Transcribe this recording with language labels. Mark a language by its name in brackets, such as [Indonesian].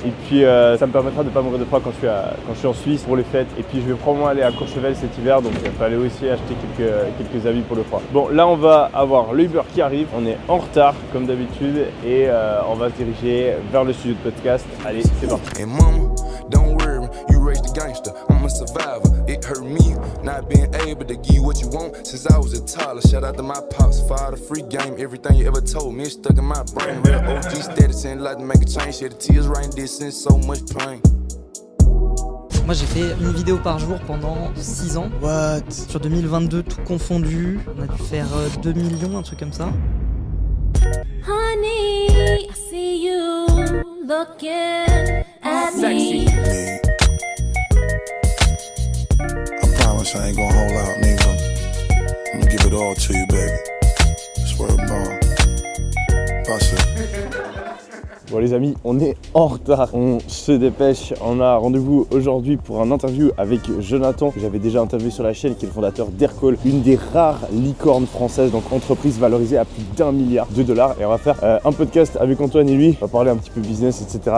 [French] Et puis, ça me permettra de pas mourir de froid quand je suis en Suisse pour les fêtes. Et puis, je vais probablement aller à Courchevel cet hiver, donc il fallait aussi acheter quelques habits pour le froid. Bon, là, on va avoir l'Uber qui arrive. On est en retard, comme d'habitude, et on va se diriger vers le studio de podcast. Allez, c'est parti. [English] Hey, mama, don't worry, you raised a gangster. I'm a survivor. It hurt me not being able to give you what you want since I was a toddler. Shout out to my pops, fire the free game. Everything you ever told me is stuck in my brain. Real OG status ain't like to make a change. Yeah, the tears rain, this is so much pain. [French] Moi j'ai fait une vidéo par jour pendant 6 ans. [English] What? [French] Sur 2022, tout confondu, on a dû faire 2 millions, un truc comme ça. [English] Honey, I see you looking at me. I promise I ain't gonna hold out, nigga. I'm gonna give it all to you, baby. Swear to God. Pass it. [French] Bon les amis, on est en retard, on se dépêche, on a rendez-vous aujourd'hui pour un interview avec Jonathan, que j'avais déjà interviewé sur la chaîne, qui est le fondateur d'Aircall, une des rares licornes françaises, donc entreprise valorisée à plus d'un milliard de dollars. Et on va faire un podcast avec Antoine et lui, on va parler un petit peu business, etc.